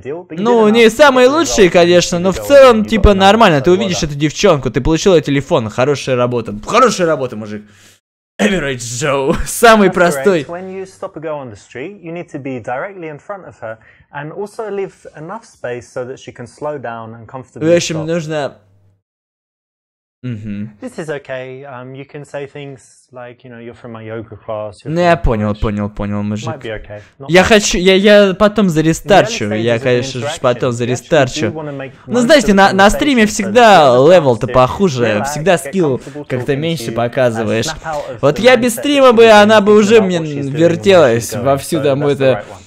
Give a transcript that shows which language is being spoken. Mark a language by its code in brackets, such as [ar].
[ru] Ну, не самые лучшие, конечно, но в целом, типа, нормально. Ты увидишь эту девчонку, ты получил ее телефон, хорошая работа. Хорошая работа, мужик. Average Joe, самый простой. [en] When you stop a girl on the street, you need to be directly in front of her and also leave enough space so that she can slow down and comfortably. [ru] В общем, нужно. [en] This is okay. You can say things like, you know, you're from my yoga class. [ru] Ну я понял, мужик. Я хочу, я потом зарестарчу. Я, конечно, потом зарестарчу. Ну знаете, на стриме всегда левел-то похуже, всегда скилл как-то меньше показываешь. Вот я без стрима бы, она бы уже мне вертелась вовсю там это.